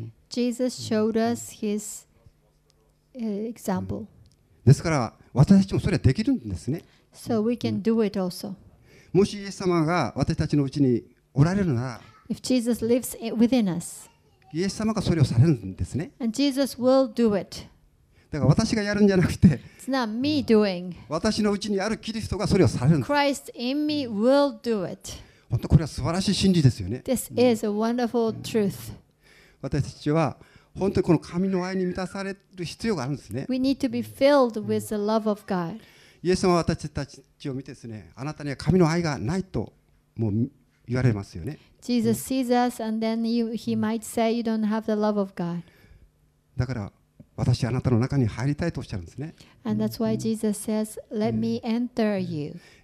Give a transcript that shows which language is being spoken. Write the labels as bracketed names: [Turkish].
[English] Jesus showed us his example. [Japanese] ですから私たちもそれはできるんですね。 [English] So we can do it also. [Japanese] もしイエス様が私たちのうちにおられるなら、 [English] If Jesus lives within us, [Japanese] イエス様がそれをされるんですね。 [English] And Jesus will do it. [Japanese] だから私がやるんじゃなくて、 [English] It's not me doing. [Japanese] 私のうちにあるキリストがそれをされるんです。 [English] Christ in me will do it. [Japanese] 本当これは素晴らしい真理ですよね。 [English] This is a wonderful truth. [Japanese] 私たちは本当にこの神の愛に満たされる必要があるんですね。 [English] We need to be filled with the love of God. [Japanese] イエス様は私たちを見てですね、あなたには神の愛がないともう言われますよね。 [English] Jesus sees us and then he might say you don't have the love of God. [Japanese] だから私あなたの中に入りたいとおっしゃるんですね。 [English] And that's why Jesus says, "Let me enter you."